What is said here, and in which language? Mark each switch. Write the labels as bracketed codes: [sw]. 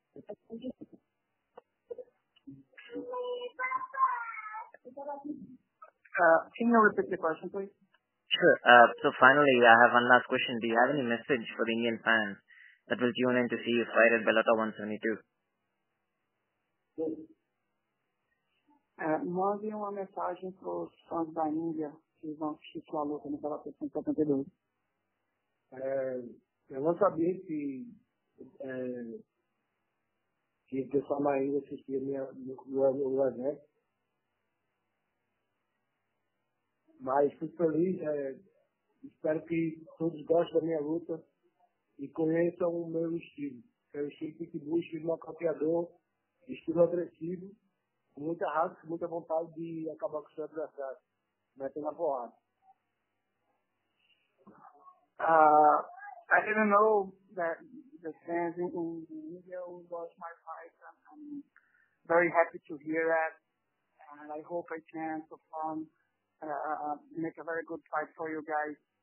[en] Can you repeat the question, please? Sure. So finally, I have one last question. Do you have any message for the Indian fans that will tune in to see you fight at Bellator 172? [pt] Mande uma mensagem para os fãs da Índia que vão assistir a luta no Bellator 172. Eu não sabia que que o pessoal na Índia assistia o evento. Mas fico feliz, espero que todos gostem da minha luta e conheçam o meu estilo. Que é o estilo pitbull, estilo nocauteador, estilo agressivo, com muita raça, muita vontade de acabar com o seu adversário, metendo a porrada. [en] I didn't know that the fans in the media will watch my fight. I'm very happy to hear that. And I hope I can perform, make a very good fight for you guys.